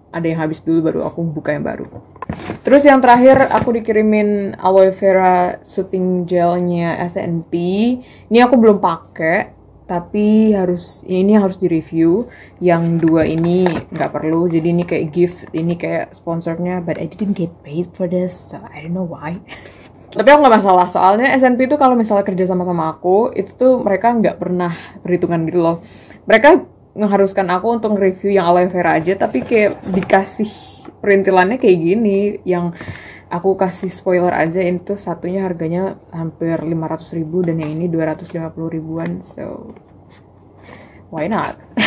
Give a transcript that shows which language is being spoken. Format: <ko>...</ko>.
<id>Ada yang habis dulu, baru aku buka yang baru. Terus yang terakhir, aku dikirimin aloe vera soothing gelnya SNP. Ini aku belum pakai. Tapi harus ini harus di-review. Yang dua ini nggak perlu. Jadi ini kayak gift, ini kayak sponsornya.</id> <en>But I didn't get paid for this, so I don't know why.</en> <id>Tapi aku nggak masalah. Soalnya SNP itu kalau misalnya kerja sama-sama aku, itu tuh mereka nggak pernah perhitungan gitu loh. Mereka mengharuskan aku untuk nge-review yang aloe vera aja. Tapi kayak dikasih perintilannya kayak gini. Yang aku kasih spoiler aja, ini tuh satunya harganya hampir 500 ribu dan yang ini 250 ribuan,</id> <en>so why not?</en>